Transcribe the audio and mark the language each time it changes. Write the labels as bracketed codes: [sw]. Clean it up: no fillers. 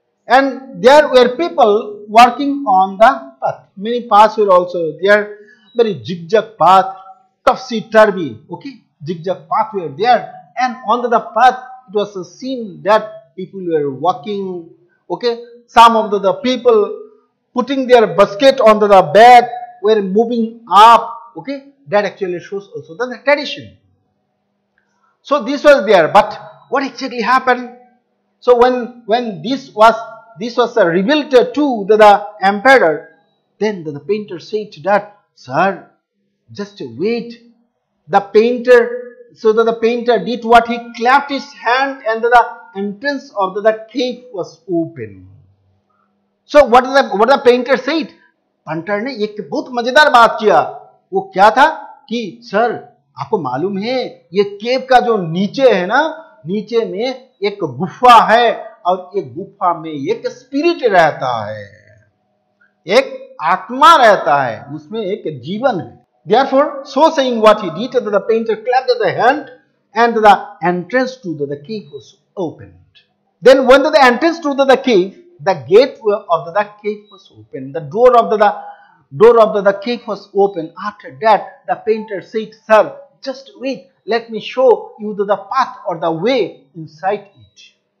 [en] And there were people working on the path, many paths were also there, very zigzag path, topsy turvy. Okay, zigzag path were there, and on the path it was seen that people were walking. Okay, some of the people putting their basket on the back were moving up. Okay, that actually shows also the tradition. So this was there, but what exactly happened? So when this was revealed to the emperor, then the painter said that, "Sir, just wait." The painter did what? He clapped his hand and the entrance of the cave was open. So what the painter said? [hi] Hunter ने एक बहुत मजेदार बात किया. वो क्या था कि सर आपको मालूम है ये केव का जो नीचे है ना, नीचे में एक गुफा है और एक गुफा में एक स्पिरिट रहता है, एक आत्मा रहता है, उसमें एक जीवन है. [en] Therefore, so saying what he did, the painter clapped the hand and the entrance to the cave was opened. Then when the entrance to the cave, the gate of the cave was open, the door of the cave was open. After that, the painter said, sir, just wait, let me show you the path or the way inside it.